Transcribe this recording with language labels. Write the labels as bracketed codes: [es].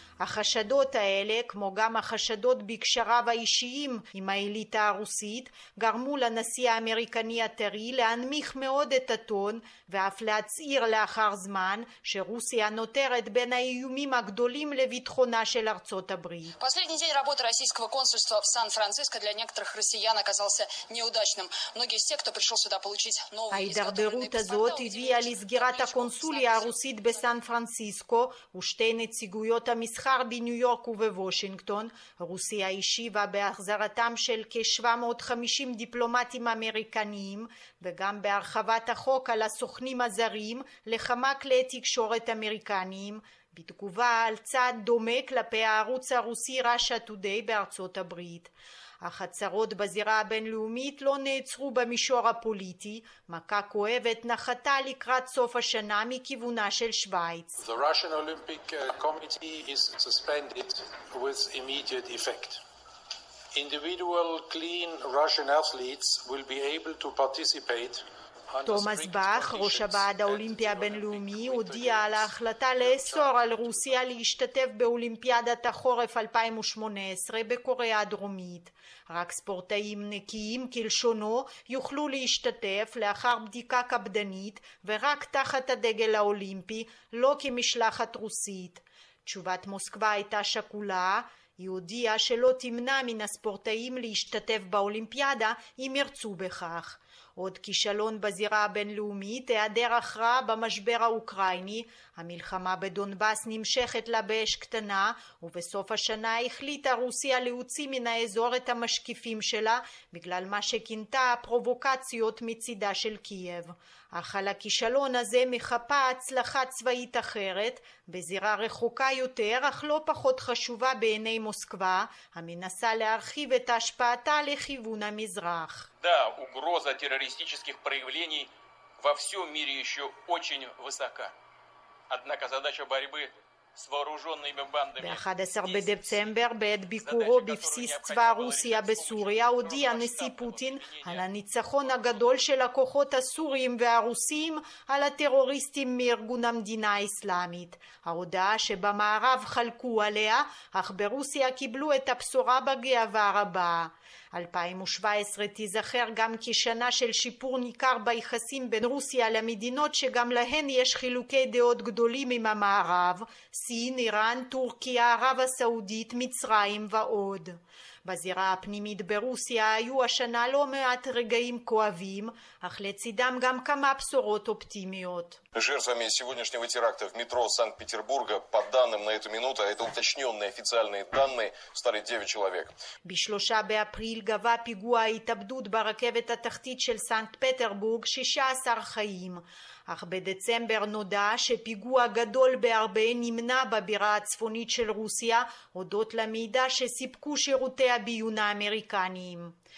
[he] החשדות האלה, כמו גם החשדות בקשריו האישיים עם האליטה הרוסית, גרמו לנשיא האמריקני הטרי להנמיך מאוד את הטון, ואף להצעיר לאחר זמן שרוסיה נותרת בין האיומים הגדולים לביטחונה של ארצות הברית. [ru] последний день работы российского консульства в Сан-Франциско для некоторых россиян оказался неудачным. многие из тех, кто пришел сюда получить новые [he] ההידרדרות הזאת הביאה לסגירת הקונסוליה הרוסית בסן פרנסיסקו ושתי נציגויות המסחר בניו יורק ובוושינגטון. רוסיה השיבה בהחזרתם של כ-750 דיפלומטים אמריקניים וגם בהרחבת החוק על הסוכנים הזרים לכמה כלי תקשורת אמריקניים. בתגובה על צעד דומה כלפי הערוץ הרוסי רשע טודי בארצות הברית. החצרות בזירה הבינלאומית לא נעצרו במישור הפוליטי. מכה כואבת נחתה לקראת סוף השנה מכיוונה של שוויץ. [en] The Russian Olympic Committee is suspended with immediate effect. Individual clean Russian athletes will be able to participate. [he] תומאס באך, ראש הוועד האולימפי הבינלאומי, הודיע על ההחלטה לאסור על רוסיה להשתתף באולימפיאדת החורף 2018 בקוריאה הדרומית. רק ספורטאים נקיים כלשונו יוכלו להשתתף לאחר בדיקה קפדנית ורק תחת הדגל האולימפי, לא כמשלחת רוסית. תשובת מוסקבה הייתה שקולה. היא הודיעה שלא תמנע מן הספורטאים להשתתף באולימפיאדה אם ירצו בכך. עוד כישלון בזירה הבינלאומית, היעדר הכרעה במשבר האוקראיני. המלחמה בדונבאס נמשכת לה באש קטנה, ובסוף השנה החליטה רוסיה להוציא מן האזור את המשקיפים שלה, בגלל מה שכינתה הפרובוקציות מצידה של קייב. אך על הכישלון הזה מחפה הצלחה צבאית אחרת, בזירה רחוקה יותר, אך לא פחות חשובה בעיני מוסקבה, המנסה להרחיב את השפעתה לכיוון המזרח. [ru] Да, угроза террористических проявлений во всём мире ещё очень высока. Однако задача борьбы с вооружёнными бандами. [he] 11 בדצמבר בעת ביקורו בבסיס צבא רוסיה בסוריה הודיע נשיא פוטין על הניצחון הגדול של הכוחות הסורים והרוסים על הטרוריסטים מארגון המדינה האסלאמית. ההודעה שבמערב חלקו עליה, אך ברוסיה קיבלו את הבשורה בגאווה רבה. 2017 תיזכר גם כשנה של שיפור ניכר ביחסים בין רוסיה למדינות שגם להן יש חילוקי דעות גדולים עם המערב, סין, איראן, טורקיה, ערב הסעודית, מצרים ועוד. בזירה הפנימית ברוסיה היו השנה לא מעט רגעים כואבים, אך לצידם גם כמה בשורות אופטימיות. [ru] Жертвами сегодняшнего теракта в метро Санкт-Петербурга, по данным на эту минуту, а это уточненные официальные данные, стали 9 человек. [he] בשלושה באפריל גבה פיגוע התאבדות ברכבת התחתית של סנקט-פטרבורג, 16 חיים. אך בדצמבר נודע שפיגוע גדול בהרבה נמנע בבירה הצפונית של רוסיה, הודות למידע שסיפקו שירותי הביון האמריקניים.